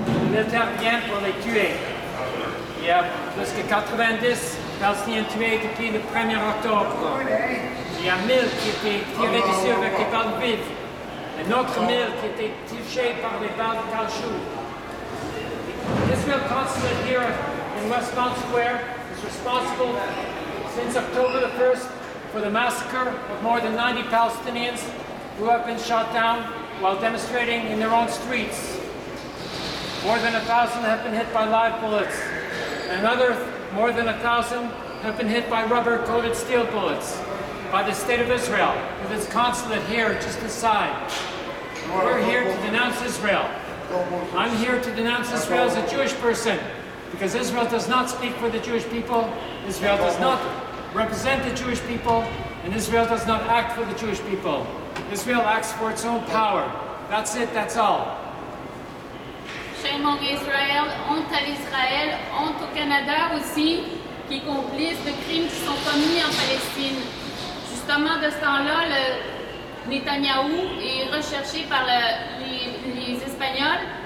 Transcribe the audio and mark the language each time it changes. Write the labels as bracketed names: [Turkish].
[French] Il intervient pour les tuer. Il y a plus que 90 Palestiniens tués depuis le 1er octobre. Il y a 1000 qui étaient tirés du sur avec des balles vides. Un autre 1000 qui étaient touchés par des balles de caoutchouc. [English] Israel consulate here in Westmount Square is responsible since October the 1st for the massacre of more than 90 Palestinians who have been shot down while demonstrating in their own streets. More than 1,000 have been hit by live bullets. Another more than 1,000 have been hit by rubber-coated steel bullets by the State of Israel with its consulate here just inside. We're here to denounce Israel. I'm here to denounce Israel as a Jewish person, because Israel does not speak for the Jewish people, Israel does not represent the Jewish people, and Israel does not act for the Jewish people. Israel acts for its own power. That's it, that's all. Shame on Israel, [French] honte à l'Israël, honte au Canada aussi, qui complice les crimes qui sont commis en Palestine. Justement, de ce temps-là, le Netanyahou est recherché par les Espagnols.